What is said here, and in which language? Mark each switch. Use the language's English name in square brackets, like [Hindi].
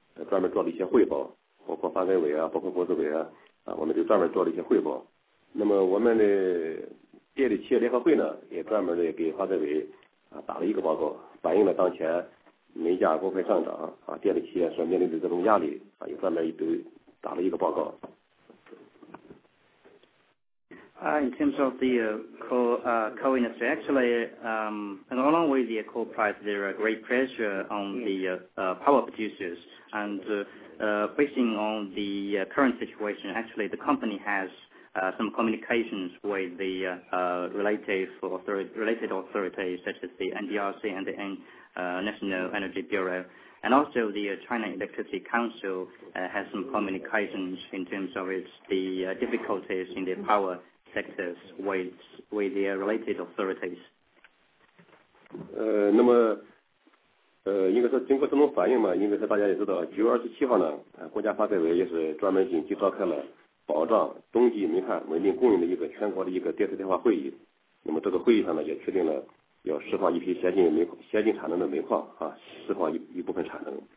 [Chinese] 专门做了一些汇报，包括发改委啊，包括国资委啊，我们就专门做了一些汇报。那么我们的电力企业联合会呢，也专门的给发改委打了一个报告，反映了当前煤价公开上涨电力企业所面临的这种压力也专门都打了一个报告。 [English] In terms of the coal industry, actually, along with the coal price, there are great pressure on the power producers. And basing on the current situation, actually, the company has some communications with the related authorities, such as the NDRC and the National Energy Bureau. And also the China Electricity Council has some communications in terms of its the difficulties in the power sectors with the related authorities. [Chinese] 那么应该说经过这种反应嘛，应该说大家也知道，9月27号呢，国家发改委也是专门紧急召开了保障冬季煤炭稳定供应的一个全国的一个电力电话会议。那么这个会议上呢，也确定了要释放一批先进产能的煤矿释放一部分产能。